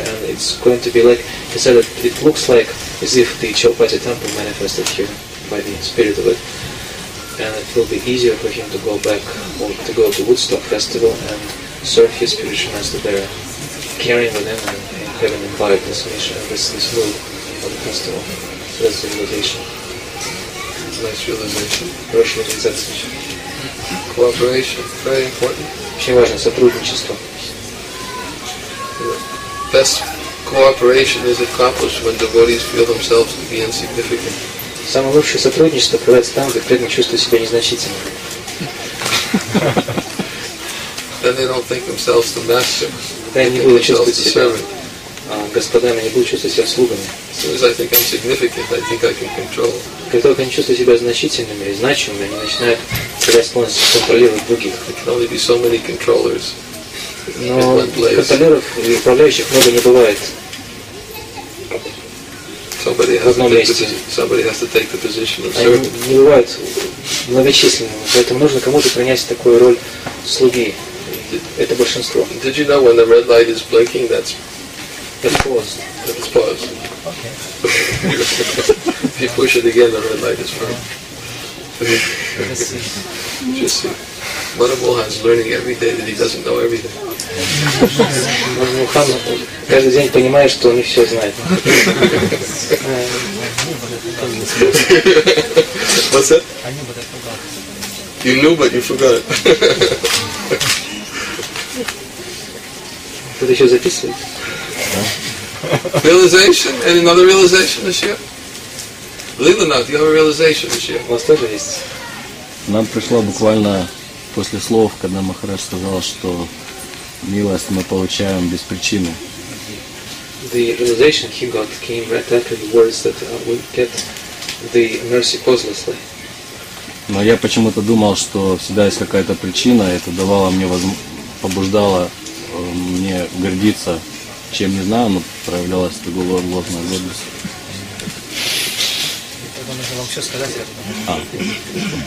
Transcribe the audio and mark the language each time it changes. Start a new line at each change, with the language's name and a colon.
English: And it's going to be like he said that it looks like as if the Chaupati temple manifested here by the spirit of it, and it will be easier for him to go back or to go to Woodstock festival and serve his spiritual master there, carrying with him. And, having imbibed this mission, this mood for the festival. realization. Nice realization.
Russian: Хорошая реализация еще.
English: Cooperation, very important.
Russian: Очень важно сотрудничество.
English: Best cooperation is accomplished when devotees feel themselves to be insignificant.
Russian: Самое лучшее сотрудничество проводится там, где преданный чувствует себя незначительным.
English: Then they don't think themselves the master.
Russian: Да, не буду чувствовать себя
English: servant.
Russian: Господами, не буду чувствовать себя слугами.
English: As soon as I think I'm significant, I think I can control.
Russian: Как только они чувствуют себя значительными и значимыми, они начинают терять склонность контролировать других.
English: There can only be so many controllers.
Russian: Но контролеров и управляющих много не бывает. Somebody has to take the position of servant. Не бывает многочисленными, поэтому нужно кому-то принять такую роль слуги. Это большинство.
English: Did you know when the red light is blinking, that's paused. It's paused. Okay. If you push it again, the red light is fine. Just see. Mother Mohan's learning every day that he doesn't know everything. Mother Mohan каждый день понимает, что он не все знает. What's that? I knew, but I forgot. You knew, but you forgot.
Russian: Кто-то еще записывает?
English: Realization? Any other realization this year? Leelanath, you have a realization this year.
Russian: У вас тоже есть? Нам пришло буквально после слов, когда Махарадж сказал, что милость мы получаем без причины.
English: The realization he got came right after the words that we get the mercy causelessly.
Russian: Но я почему-то думал, что всегда есть какая-то причина, и это давало мне, побуждало мне гордиться. Чем не знаю, но проявлялась такая ложная гордость. Я думаю, что вам все сказать, я